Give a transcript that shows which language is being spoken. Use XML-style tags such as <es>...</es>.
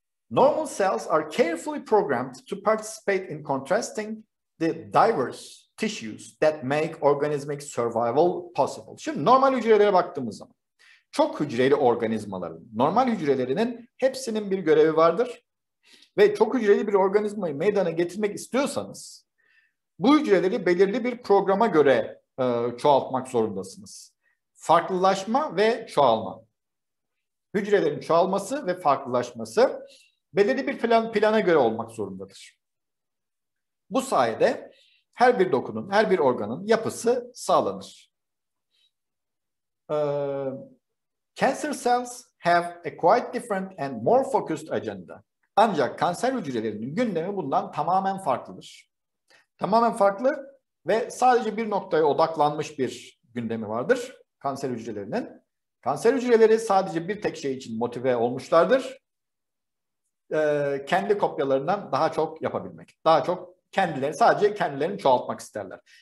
<en>Normal cells are carefully programmed to participate in contrasting the diverse tissues that make organismic survival possible.</en> <tr>Şimdi normal hücrelere baktığımız zaman, çok hücreli organizmaların, normal hücrelerinin hepsinin bir görevi vardır. Ve çok hücreli bir organizmayı meydana getirmek istiyorsanız, bu hücreleri belirli bir programa göre çoğaltmak zorundasınız. Farklılaşma ve çoğalma. Hücrelerin çoğalması ve farklılaşması belirli bir plana göre olmak zorundadır. Bu sayede her bir dokunun, her bir organın yapısı sağlanır.</tr> <en>Cancer cells have a quite different and more focused agenda.</en> <tr>Ancak kanser hücrelerinin gündemi bundan tamamen farklıdır. Tamamen farklı ve sadece bir noktaya odaklanmış bir gündemi vardır kanser hücrelerinin. Kanser hücreleri sadece bir tek şey için motive olmuşlardır. Kendi kopyalarından daha çok yapabilmek. Daha çok kendileri, sadece kendilerini çoğaltmak isterler.</tr>